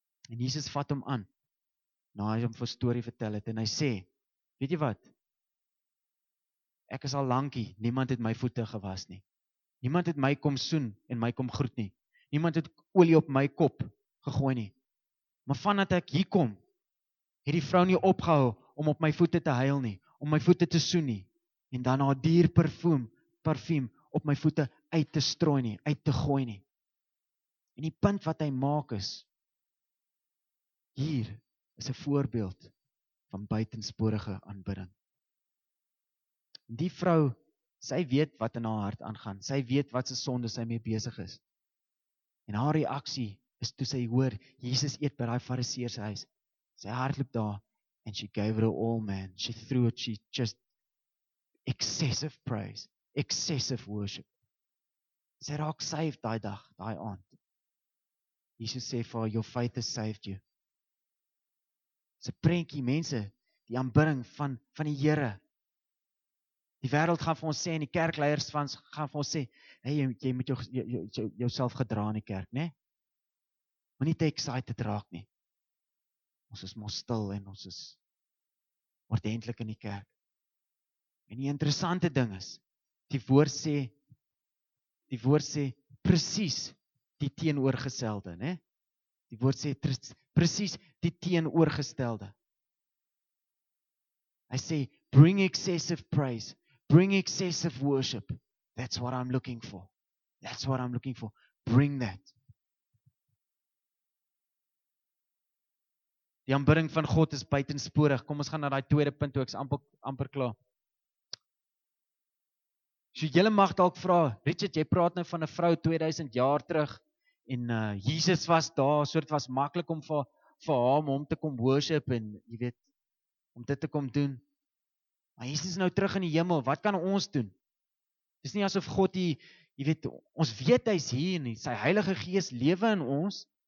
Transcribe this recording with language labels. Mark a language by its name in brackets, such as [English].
[Afrikaans] En Jesus vat hom aan, na hy hom vir story vertel het, en hy sê, weet jy wat, ek is al lankie, niemand het my voete gewas nie. Niemand het my kom soen en my kom groet nie. Niemand het olie op my kop gegooi nie. Maar vandat ek hier kom, het die vrou nie opgehou om op my voete te huil nie, om my voete te soen nie, en dan haar dier parfum op my voete uit te strooi nie, uit te gooi nie. En die punt wat hy maak is, hier is 'n voorbeeld van buitensporige aanbidding. Die vrou, sy weet wat in haar hart aangaan, sy weet wat se sonde sy mee besig is. En haar reaksie is toe sy hoor, Jesus eet by daai fariseer se huis. Sy hardloop daar, [English] and she gave it all, man. She threw it, she just, excessive praise. Excessive worship. [Afrikaans] Sy raak saved daai dag, daai aand. Jesus sê vir haar, [English] your faith has saved you. [Afrikaans] Dis 'n prentjie, mense, die aanbidding van die Here. Die wêreld gaan vir ons sê en die kerkleiers gaan vir ons sê, hey, jy moet jouself gedra in die kerk, né? Nee? Moenie te excited raak nie. Ons is mos stil en ons is ordentlik in die kerk. En die interessante ding is Die woord sê presies die teenoorgestelde, né? Die woord sê presies die teenoorgestelde. Hy sê [English] bring excessive praise, bring excessive worship. That's what I'm looking for. That's what I'm looking for. Bring that. [Afrikaans] Die aanbidding van God is buitensporig. Kom ons gaan na daai tweede punt toe, ek is amper klaar. So jylle mag dalk vra, Richard, jy praat nou van 'n vrou 2000 jaar terug en Jesus was daar, so het was makkelijk om vir hom, om te kom worship en, jy weet, om dit te kom doen. Maar Jesus is nou terug in die hemel, wat kan ons doen? Het is nie asof God die, jy weet, ons weet hy is hier en sy Heilige Gees lewe in ons.